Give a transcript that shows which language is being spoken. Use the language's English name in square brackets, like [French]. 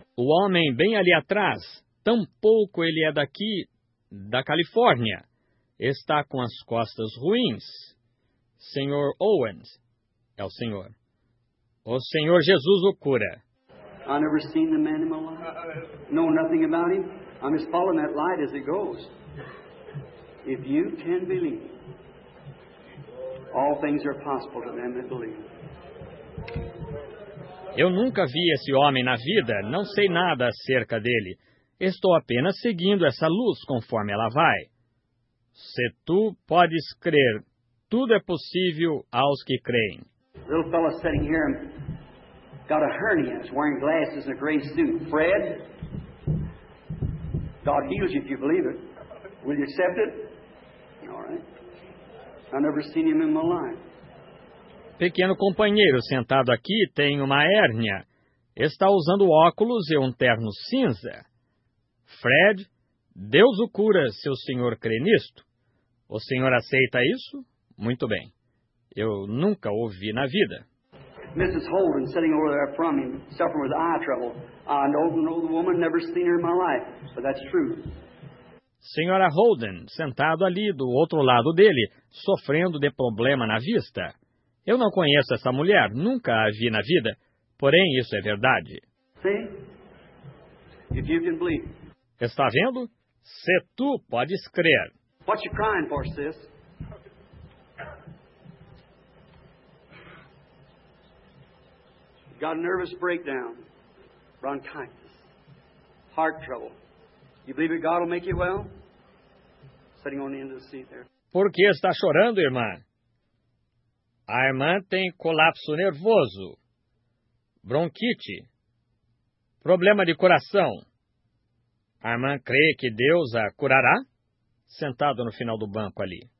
[Portuguese] O homem bem ali atrás, tampouco ele é daqui, da Califórnia. Está com as costas ruins. Senhor Owens, é o senhor. O Senhor Jesus o cura. [English] I've never seen the man in my life. Know nothing about him. I'm just following that light as it goes. If you can believe, all things are possible to them that believe. [Portuguese] Eu nunca vi esse homem na vida, não sei nada acerca dele. Estou apenas seguindo essa luz conforme ela vai. Se tu podes crer, tudo é possível aos que creem. [English] Little fellow sitting here got a hernia, is wearing glasses and a gray suit. Fred, God heals you if you believe it. Will you accept it? All right. I've never seen him in my life. [Portuguese] Pequeno companheiro sentado aqui tem uma hérnia. Está usando óculos e um terno cinza. Fred, Deus o cura se o senhor crê nisto. O senhor aceita isso? Muito bem. Eu nunca o vi na vida. [English] Mrs. Holden, sitting over there from him, suffering with eye trouble. I don't know the woman, never seen her in my life, but that's true. [Portuguese] Senhora Holden, sentado ali do outro lado dele, sofrendo de problema na vista. Eu não conheço essa mulher, nunca a vi na vida, porém isso é verdade. [English] See? If you can believe. [Portuguese] Está vendo? Se tu podes crer. [English] What you crying for, sis? Got a nervous breakdown, bronchitis, heart trouble. You believe that God will make you well? Sitting on the end of the seat there. [Portuguese] Por que está chorando, irmã? A irmã tem colapso nervoso, bronquite, problema de coração. A irmã crê que Deus a curará? Sentado no final do banco ali.